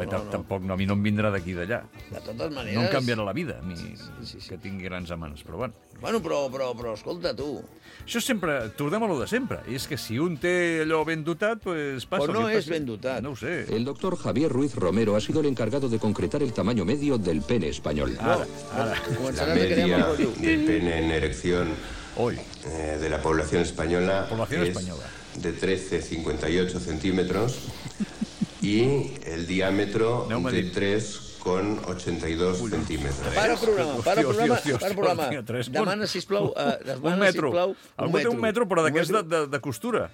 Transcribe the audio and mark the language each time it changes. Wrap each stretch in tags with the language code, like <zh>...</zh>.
<ca>Tampoc, no, a mi no em vindrà d'aquí i d'allà. De totes maneres... No em canviarà la vida, a mi, que tingui grans amants, però bueno. Bueno, però, escolta, tu... Això sempre... Tornem a lo de sempre. És que si un té allò ben dotat, pues passa... Però no és ben dotat. No ho sé.</ca> <es>El doctor Javier Ruiz Romero ha sido el encargado de concretar el tamaño medio del pene español.</es> <ca>Ara.</ca> <es>La media del pene en erección de la población española, de 13,58 centímetros y el diámetro de 3,82 centímetros. Para el programa.</es> <ca>Demana, sisplau, un metro. Algú té un metro, però d'aquest de costura.</ca>